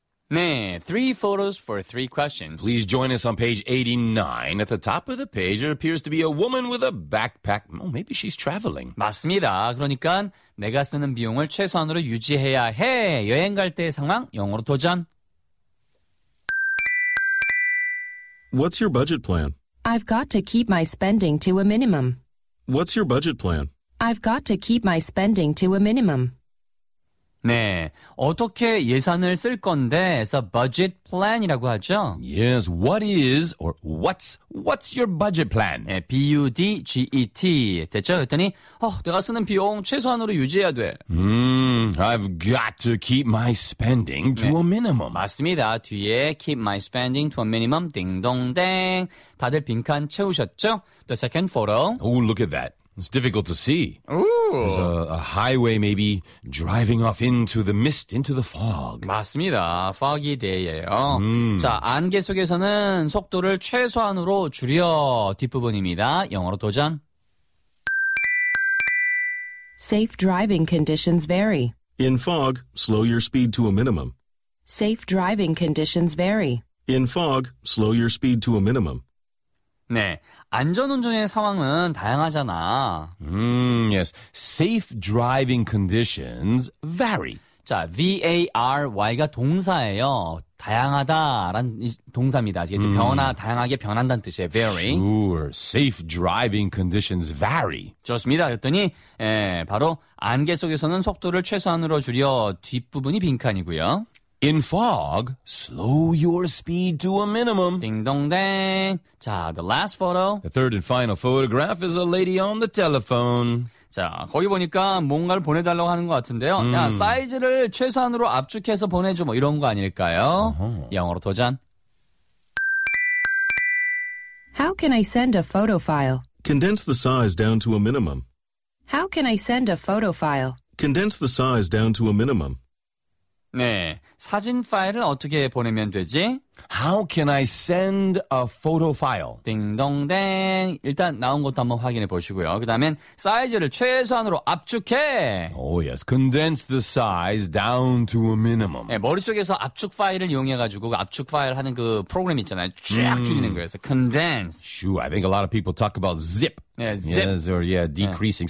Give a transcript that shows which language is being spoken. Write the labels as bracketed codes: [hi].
[en] Nah, three photos for three questions. Please join us on page 89. At the top of the page, it appears to be a woman with a backpack. Oh, maybe she's traveling. [ko] 맞습니다. 그러니까 내가 쓰는 비용을 최소한으로 유지해야 해. 여행 갈 때의 상황, 영어로 도전. [en] What's your budget plan? I've got to keep my spending to a minimum. What's your budget plan? I've got to keep my spending to a minimum. [ko] 네, 어떻게 예산을 쓸 건데 해서 budget plan이라고 하죠. [en] Yes, what is or what's your budget plan? [ko] 네, B-U-D-G-E-T 됐죠? 그랬더니 내가 쓰는 비용 최소한으로 유지해야 돼. [en] I've got to keep my spending to a minimum. [ko] 맞습니다. 뒤에 [en] keep my spending to a minimum [ko] 딩동댕. 다들 빈칸 채우셨죠? [en] The second photo. Oh, look at that. It's difficult to see. Ooh. There's a highway maybe driving off into the mist, into the fog. [ko] 맞습니다. [en] Foggy day예요. [ko] 자, 안개 속에서는 속도를 최소한으로 줄여. 뒷부분입니다. 영어로 도전. [en] Safe driving conditions vary. In fog, slow your speed to a minimum. Safe driving conditions vary. In fog, slow your speed to a minimum. [ko] 네, 안전운전의 상황은 다양하잖아. [en] Yes. Safe driving conditions vary. [ko] 자, V-A-R-Y가 동사예요. 다양하다라는 동사입니다. 이게 변화, 다양하게 변한다는 뜻이에요. [en] Vary. Sure. Safe driving conditions vary. [ko] 좋습니다. 그랬더니 예, 바로 안개 속에서는 속도를 최소한으로 줄여 뒷부분이 빈칸이고요. [en] In fog, slow your speed to a minimum. [ko] 딩동댕. 자, [en] the last photo. The third and final photograph is a lady on the telephone. [ko] 자, 거기 보니까 뭔가를 보내달라고 하는 것 같은데요. 야, 사이즈를 최소한으로 압축해서 보내줘 뭐 이런 거 아닐까요? Uh-huh. 영어로 도전. [en] How can I send a photo file? Condense the size down to a minimum. How can I send a photo file? Condense the size down to a minimum. [ko] 네, 사진 파일을 어떻게 보내면 되지? [en] How can I send a photo file? [ko] 딩동댕. 일단 나온 것도 한번 확인해 보시고요. 그 다음엔 사이즈를 최소한으로 압축해. [en] Oh yes, condense the size down to a minimum. [ko] 네, 머릿속에서 압축 파일을 이용해가지고 압축 파일 하는 그 프로그램 있잖아요. 쫙 줄이는 거에서 condense. [en] Sure, I think a lot of people talk about zip. [ko] 네, zip. [en] Yes, or yeah, decreasing. 네.